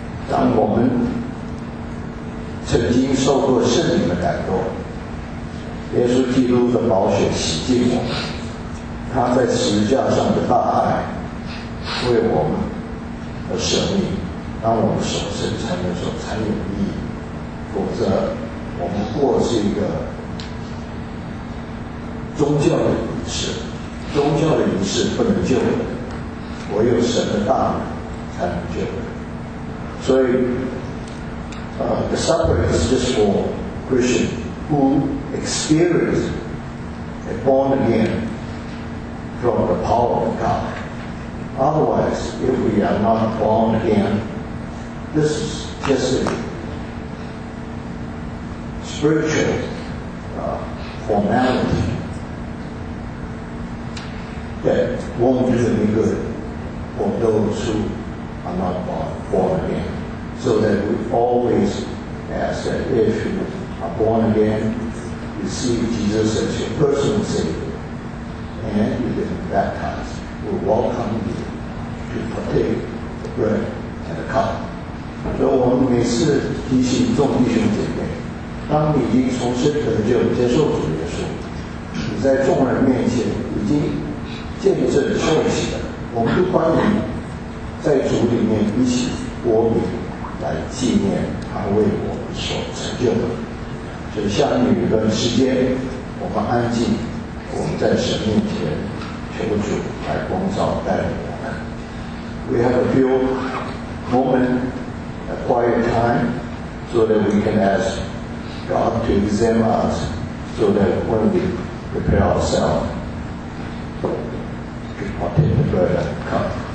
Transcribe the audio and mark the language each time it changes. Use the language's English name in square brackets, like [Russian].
[Chinese] 当我们曾经受过圣灵的感动，耶稣基督的宝血洗净我们，他在十字架上的大爱为我们而舍命，当我们守圣餐的时候才有意义，否则我们过是一个宗教的仪式，宗教的仪式不能救人，唯有神的大能才能救人。所以 [English] the supper is just for Christian who experience a born again from the power of God. Otherwise, if we are not born again, this is just a spiritual formality that won't do any good for those who are not born again. So that we always ask that if you are born again, receive Jesus as your personal Savior, and you get baptized, we welcome you to partake the bread and the cup. [Chinese] 所以我们每次提醒众弟兄姐妹，当你已经重生得救接受主耶稣，你在众人面前已经见证受洗了，我们就欢迎在主里面一起擘饼来纪念他为我们所成就的。所以下面有一段时间我们安静，我们在神面前求主来光照带领我们。 [English] We have a few moments, a quiet time, so that we can ask God to examine us, so that when we prepare ourselves to partake the bread and cup.